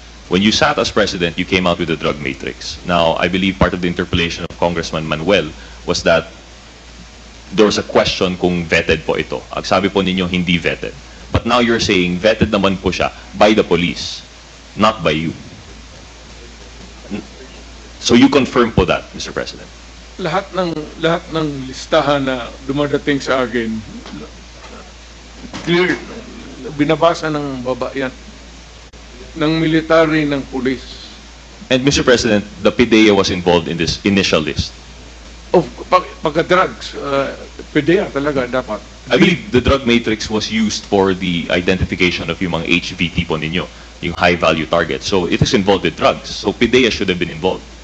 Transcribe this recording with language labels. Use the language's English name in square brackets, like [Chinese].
[English] When you sat as president, you came out with a drug matrix. Now, I believe part of the interpellation of Congressman Manuel was that there was a question [Filipino] kung vetted po ito. Ang sabi po ninyo, hindi vetted. [English] But now you're saying vetted [Filipino] naman po siya [English] by the police, not by you. So you confirm po that, Mr. President? [Filipino] Lahat ng listahan na dumadating sa akin, clear, binabasa ng baba yan, ng military, ng police. [English] And Mr. President, the PIDEA was involved in this initial list? [Filipino] Of pagka-drugs, PIDEA talaga dapat. [English] I believe the drug matrix was used for the identification of [Filipino] yung mga HVT po ninyo, yung [English] high-value target. So it is involved with drugs, so PIDEA should have been involved.